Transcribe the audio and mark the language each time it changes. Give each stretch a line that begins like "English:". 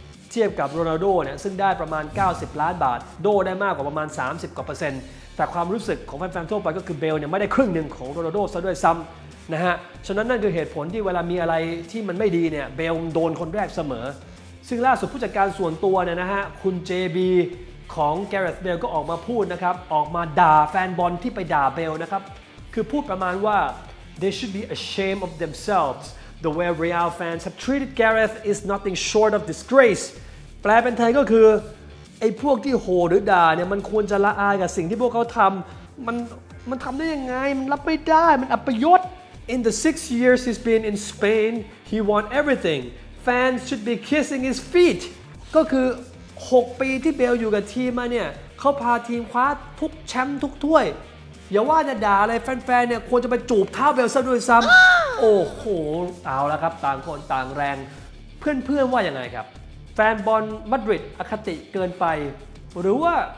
Thai: เทียบกับโรนัลโดเนี่ยซึ่งได้ประมาณ90ล้านบาทโดได้มากกว่าประมาณ30กว่าเปอร์เซ็นต์แต่ความรู้สึกของแฟนๆทั่วไปก็คือเบลเนี่ยไม่ได้ครึ่งหนึ่งของโรนัลโดซะด้วยซ้ำนะฮะฉะนั้นนั่นคือเหตุผลที่เวลามีอะไรที่มันไม่ดีเนี่ยเบลโดนคนแรกเสมอซึ่งล่าสุดผู้จัดการส่วนตัวเนี่ยนะฮะคุณ JBของแกเรธเบลก็ออกมาพูดนะครับออกมาด่าแฟนบอลที่ไปด่าเบลนะครับคือพูดประมาณว่า
English: They should be ashamed of themselves. The way Real fans have treated Gareth is nothing short of disgrace.
Thai: แปลเป็นไทยก็คือไอ้พวกที่โหหรือด่าเนี่ยมันควรจะละอายกับสิ่งที่พวกเขาทำมันทำได้ยังไงมันรับไม่ได้มันอัปยศ
English: In the 6 years he's been in Spain, he won everything. Fans should be kissing his feet.
Thai: ก็คือ6ปีที่เบลอยู่กับทีมมาเนี่ยเขาพาทีมคว้าทุกแชมป์ทุกถ้วยอย่าว่าจะด่าอะไรแฟนๆเนี่ยควรจะไปจูบเท้าเบลซะด้วยซ้ำโอ้โหเอาละครับต่างคนต่างแรงเพื่อนๆว่ายังไงครับแฟนบอลมาดริดอคติเกินไปหรือว่า